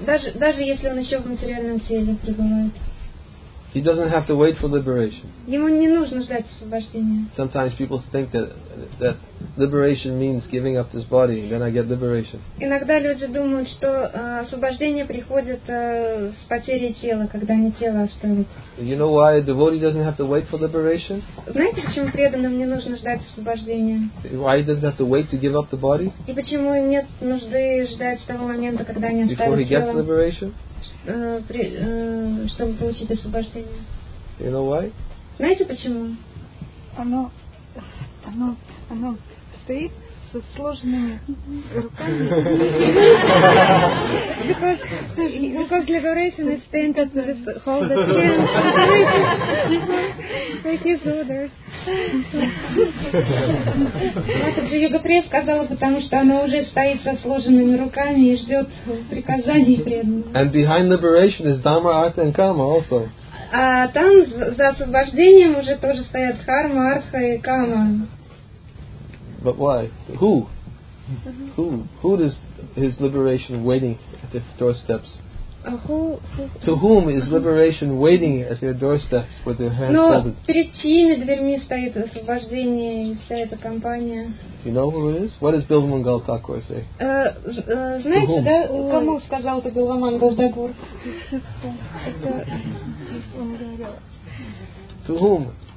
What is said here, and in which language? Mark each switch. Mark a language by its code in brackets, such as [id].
[ru] Даже если он еще в материальном теле пребывает. [en] He doesn't have to wait for liberation. [ru] Ему не нужно ждать освобождения. [en] Sometimes people think that liberation means giving up this body, then I get liberation. [ru] Иногда люди думают, что освобождение приходит с потерей тела, когда они тело оставят. [en] You know why a devotee doesn't have to wait for liberation? [ru] Знаете, почему преданным не нужно ждать освобождения? [en] Why he doesn't have to wait to give up the body? [ru] И почему нет нужды ждать того момента, когда они оставят тело? [en] Before he gets liberation. [ru] Чтобы получить освобождение. [en] You know why? [ru] Знаете почему? Оно стоит со сложенными руками. [en] Because liberation is standing with folded hands. Like his orders. [ru] Также Йогаприя сказала, потому что она уже стоит со сложенными руками и ждет приказаний преданных. [en] And behind liberation is dharma, artha and karma also. [ru] А там за освобождением уже тоже стоят дхарма, артха и карма. [en] But why? Who? Mm-hmm. Who? Who is his liberation waiting at the doorsteps? Who? To whom is liberation waiting at your doorsteps with your hands folded? [ru] Но перед чьими дверьми стоит освобождение и вся эта компания? [en] Do you know who it is? What does Bilva Mangal Thakur say? [ru] Знаете, да, кому сказал это Билва Мангал Тхакур? [en] To whom?